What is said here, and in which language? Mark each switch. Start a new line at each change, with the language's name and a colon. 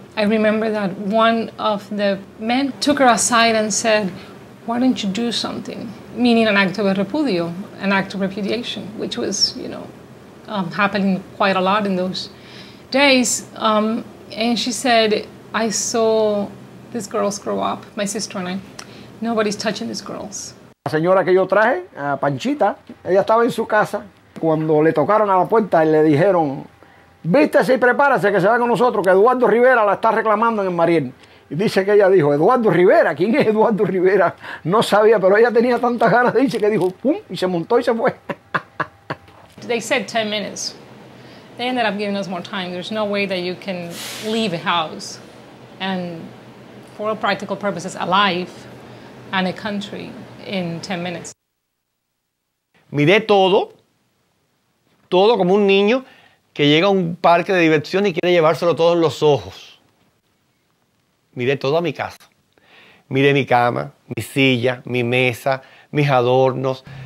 English: I remember that one of the men took her aside and said, why don't you do something? Meaning an act of repudio, an act of repudiation, which was, you know, happening quite a lot in those days. And she said, I saw this girl grow up, my sister and I. Nobody's touching these girls.
Spanish: La señora que yo traje, Panchita, ella estaba en su casa. Cuando le tocaron a la puerta y le dijeron, vístese y prepárese que se va con nosotros, que Eduardo Rivera la está reclamando en el Mariel. Y dice que ella dijo, Eduardo Rivera, ¿quién es Eduardo Rivera? No sabía, pero ella tenía tantas ganas de irse que dijo, pum, y se montó y se fue.
English: They said 10 minutes. They ended up giving us more time. There's no way that you can leave a house and for all practical purposes alive and a country in 10 minutes.
Spanish: Miré todo, todo como un niño que llega a un parque de diversión y quiere llevárselo todo en los ojos. Miré todo a mi casa. Miré mi cama, mi silla, mi mesa, mis adornos.